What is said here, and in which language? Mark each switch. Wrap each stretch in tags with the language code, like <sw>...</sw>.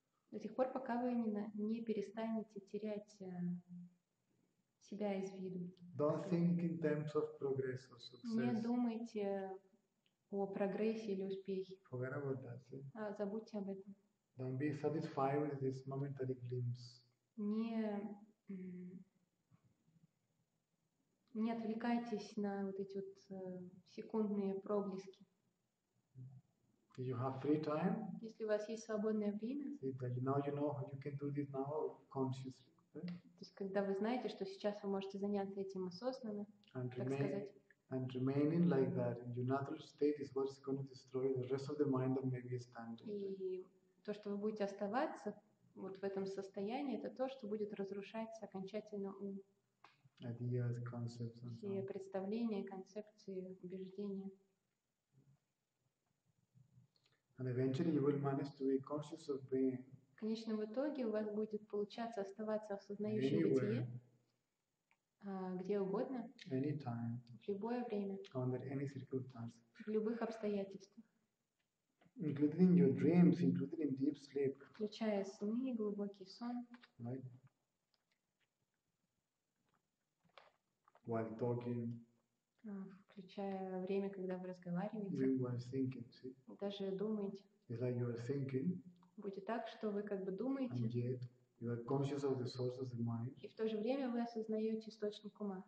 <ru>До тех пор, пока вы не перестанете терять себя из виду.</ru> <en>Don't think in terms of progress or success.</en> <ru>Не думайте о прогрессе или успехе.</ru> <en>Forget about that, see?</en> <ru>А забудьте об этом.</ru> <en>Don't be satisfied with this momentary glimpse.</en> <ru>Не отвлекайтесь на вот эти вот секундные проблески.</ru> <en>You have free time.</en> <ru>Если у вас есть свободное время.</ru> <en>You know you can do this now consciously.</en> <ru>То есть когда вы знаете, что сейчас вы можете заняться этим осознанно,</ru> <en>and</en> <ru>так сказать.</ru> <en>And remaining like that in your natural state is what's going to destroy the rest of the mind that may be standing.</en> <ru>И то, что вы будете оставаться вот в этом состоянии, это то, что будет разрушать окончательно ум.</ru> <en>Ideas, concepts, and</en> <ru>все представления, концепции, убеждения.</ru> <en>And eventually you will manage to be conscious of being.</en> <ru>В конечном итоге у вас будет получаться оставаться в осознающем бытии, где угодно,</ru> <en>anytime,</en> <ru>в любое время,</ru> <en>under any circumstances,</en> <ru>в любых обстоятельствах,</ru> <en>including your dreams, including deep sleep,</en> <ru>включая сны и глубокий сон,</ru> <en>right? While talking.</en> <ru>Включая время, когда вы разговариваете, даже думаете,</ru> <en>it's like you are thinking,</en> <ru>будет так, что вы как бы думаете,</ru> <en>and yet you are conscious of the source of the mind,</en> <ru>и в то же время вы осознаете источник ума,</ru>